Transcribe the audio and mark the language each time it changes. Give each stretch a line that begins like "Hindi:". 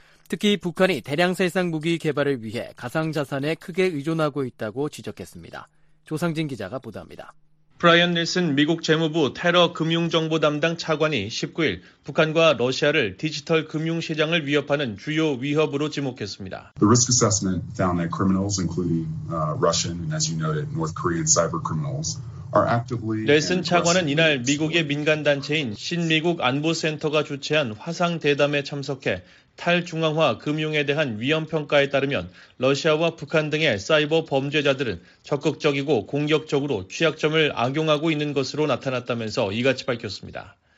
Korean: 특히 북한이 대량 살상 무기 개발을 위해 가상자산에 크게 의존하고 있다고 지적했습니다. 조상진 기자가 보도합니다. 브라이언 닐슨 미국 재무부 테러 금융정보 담당 차관이 19일 북한과 러시아를 디지털 금융시장을 위협하는 주요 위협으로 지목했습니다.
English: The risk assessment found that criminals, including Russian and, as you noted, North Korean cyber criminals,
Korean: 넬슨 차관은 이날 미국의 민간단체인 신미국안보센터가 주최한 화상대담에 참석해 탈중앙화 금융에 대한 위험평가에 따르면 러시아와 북한 등의 사이버 범죄자들은 적극적이고 공격적으로 취약점을 악용하고 있는 것으로 나타났다면서 이같이 밝혔습니다.